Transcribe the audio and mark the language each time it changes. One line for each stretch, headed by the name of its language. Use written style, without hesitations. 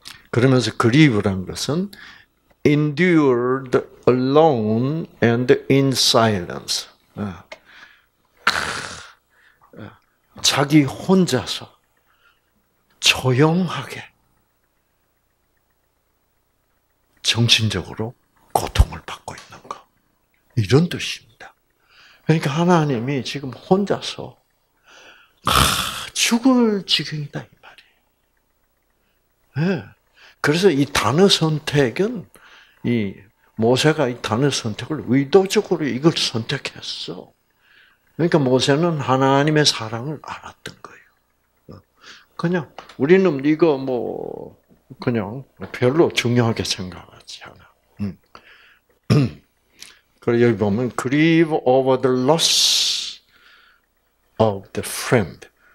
Korean: 그러면서
English: grieve란 것은 endured alone and in silence.
Korean: 자기 혼자서 조용하게 정신적으로 고통을 받고 있는 것. 이런 뜻입니다. 그러니까 하나님이 지금 혼자서 죽을 지경이다 이 말이에요. 네. 그래서 이 단어 선택은 이 모세가 이 단어 선택을 의도적으로 이걸 선택했어. 그러니까 모세는 하나님의 사랑을 알았던 거예요. 그냥 우리는 이거 뭐 그냥 별로 중요하게 생각하지 않아. 그리고 여기 보면
English: grieve over the loss of the friend.